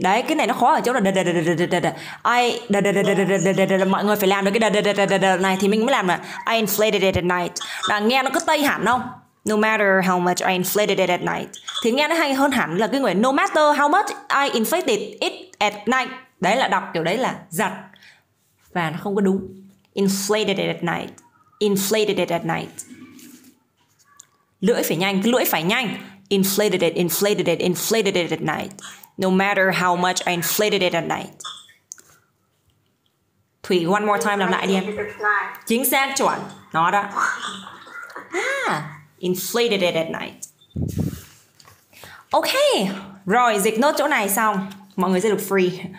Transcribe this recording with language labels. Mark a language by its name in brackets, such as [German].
[Vietnamese] Đấy, cái này nó khó ở chỗ là da da da da da da. I da da da da da da da da da. Mọi người phải làm được cái da da da da da này thì mình mới làm mà. [English] I inflated it at night. [Vietnamese] Đã nghe nó cứ tây hẳn không? [English] No matter how much I inflated it at night. [Vietnamese] Thì nghe nó hay hơn hẳn là cái người [English] no matter how much I inflated it at night. [Vietnamese] Đấy là đọc kiểu đấy là giật. Và nó không có đúng. [English] Inflated it at night. Inflated it at night. [Vietnamese] Lưỡi phải nhanh, cái lưỡi phải nhanh. [English] Inflated it, inflated it, inflated it at night. No matter how much I inflated it at night. [Vietnamese] Thủy, [English] one more time, [Vietnamese] làm lại đi em. Chính xác chuẩn. Nó đó. [English] Inflated it at night. Ok. [Vietnamese] Rồi, dịch nốt chỗ này xong. Mọi người sẽ được free.